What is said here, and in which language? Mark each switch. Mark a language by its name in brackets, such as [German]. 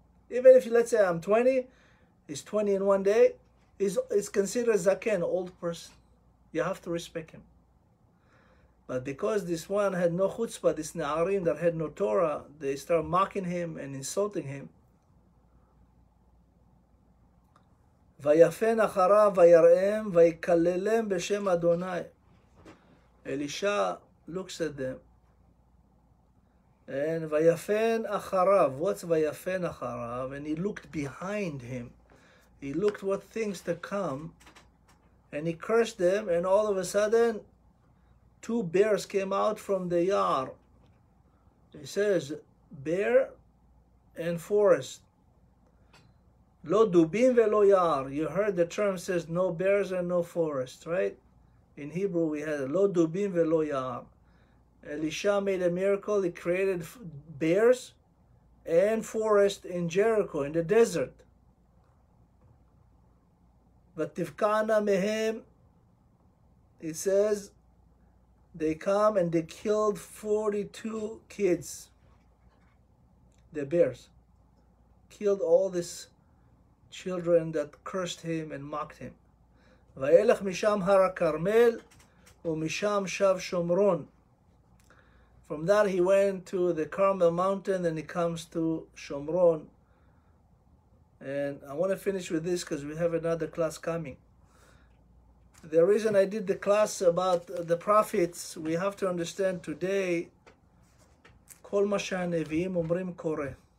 [English] Even if, let's say I'm 20, he's 20 in one day, is considered zaken, old person. You have to respect him. But because this one had no chutzpah, this na'arim that had no Torah, they start mocking him and insulting him. [Hebrew] ויפן אחריו ויראם ויקללם בשם אדוני. [English] אלישע looks at them and [Hebrew] ויפן אחריו. [English] What's [Hebrew] ויפן אחריו? [English] And he looked behind him. He looked what things to come and he cursed them, and all of a sudden two bears came out from the yard. He says bear and forest. [Hebrew] לא דובים ולא יער. [English] You heard the term says no bears and no forest, right? In Hebrew we had [Hebrew] לא דובים ולא יער. [English] Elisha made a miracle. He created bears and forest in Jericho, in the desert. [Hebrew] ותפקענה מהם, [English] it says, they come and they killed 42 kids. The bears killed all this children that cursed him and mocked him. [Hebrew] וילך משם הר הכרמל ומשם שב שומרון. [English] From that he went to the Carmel mountain and he comes to Shomron. And I want to finish with this because we have another class coming. The reason I did the class about the prophets, we have to understand today [Hebrew] כל מה שהנביאים אומרים קורה.